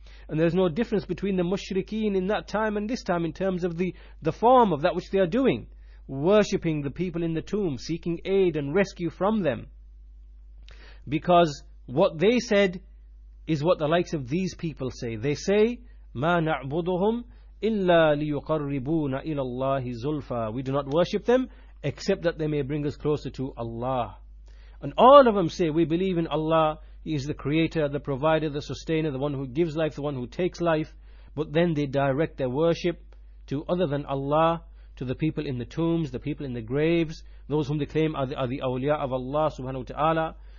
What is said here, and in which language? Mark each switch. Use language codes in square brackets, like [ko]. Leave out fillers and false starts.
[en] And there is no difference between the mushrikeen in that time and this time in terms of the form of that which they are doing. Worshipping the people in the tomb, seeking aid and rescue from them. Because what they said is what the likes of these people say. They say, [ar] مَا نَعْبُدُهُمْ إِلَّا لِيُقَرِّبُونَ إِلَى اللَّهِ زُلْفًا. [en] We do not worship them except that they may bring us closer to Allah. And all of them say, we believe in Allah. He is the creator, the provider, the sustainer, the one who gives life, the one who takes life. But then they direct their worship to other than Allah, to the people in the tombs, the people in the graves, those whom they claim are the awliya of Allah subhanahu wa ta'ala.